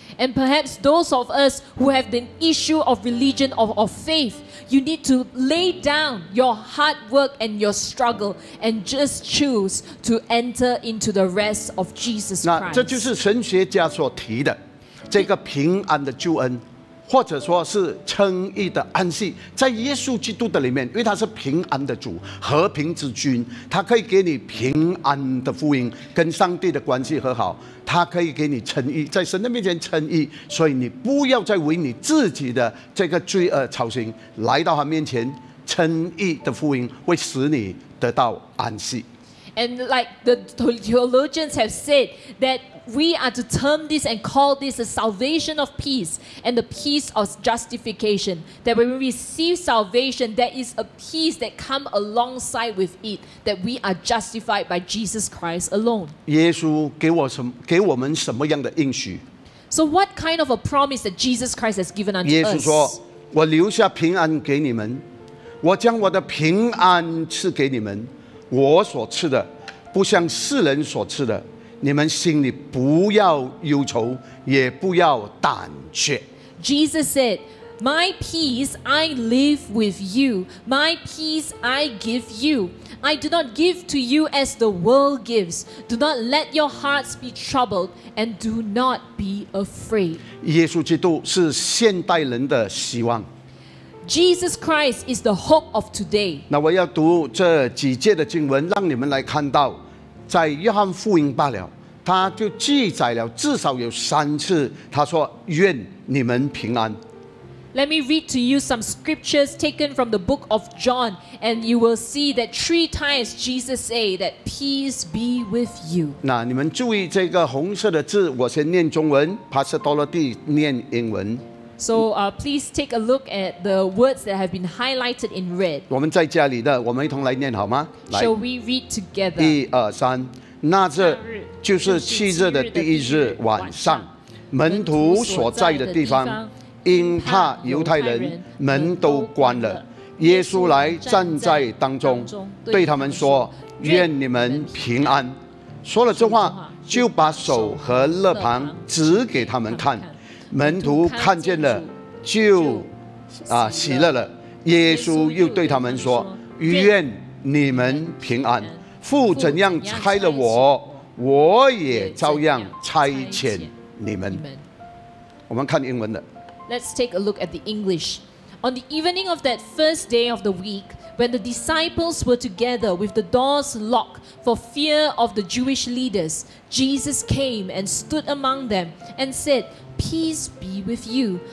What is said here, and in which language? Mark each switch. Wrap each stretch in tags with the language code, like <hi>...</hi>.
<en>And perhaps those of us who have the issue of religion or of faith, you need to lay down your hard work and your struggle and just choose to enter into the rest of Jesus Christ.</en> <zh>那这就是神学家所提的这个平安的救恩，或者说是称义的安息，在耶稣基督的里面，因为他是平安的主，和平之君，他可以给你平安的福音，跟上帝的关系和好，他可以给你称义，在神的面前称义，所以你不要再为你自己的这个罪恶操心，来到他面前，称义的福音会使你得到安息。</zh> <en>And like the theologians have said that we are to term this and call this the salvation of peace and the peace of justification. That when we receive salvation, there is a peace that comes alongside with it, that we are justified by Jesus Christ alone.</en> <zh>耶稣给我们什么样的应许？</zh> <en>So what kind of a promise that Jesus Christ has given unto us?</en> <zh>耶稣说，我留下平安给你们，我将我的平安赐给你们。我所赐的不像世人所赐的，你们心里不要忧愁，也不要胆怯。</zh> <en>Jesus said, My peace I leave with you, My peace I give you. I do not give to you as the world gives. Do not let your hearts be troubled and do not be afraid.</en> <zh>耶稣基督是现代人的希望。</zh> <en>Jesus Christ is the hope of today.</en> <zh>那我要读这几节的经文，让你们来看到，在约翰福音罢了，他就记载了至少有三次，他说：“愿你们平安。”</zh> <en>Let me read to you some scriptures taken from the book of John, and you will see that three times Jesus said that peace be with you.</en> <zh>那你们注意这个红色的字，我先念中文 ，Pastor Dorothy 念英文。</zh> <en>So, please take a look at the words that have been highlighted in red.</en> <zh>我们在家里的，我们一同来念好吗？</zh> <en>Shall we read together?</en> <zh>一二三，那日就是七日的第一日晚上，门徒所在的地方，因怕犹太人，门都关了。耶稣来站在当中，对他们说：“愿你们平安。” 说了这话，就把手和肋旁指给他们看。门徒看见了，就喜乐了。耶稣又对他们说：“愿你们平安。父怎样差了我，我也照样差遣你们。” 我们看英文的。</zh> <en>Let's take a look at the English. On the evening of that first day of the week, when the disciples were together with the doors locked for fear of the Jewish leaders, Jesus came and stood among them and said, "Peace be with you."</en>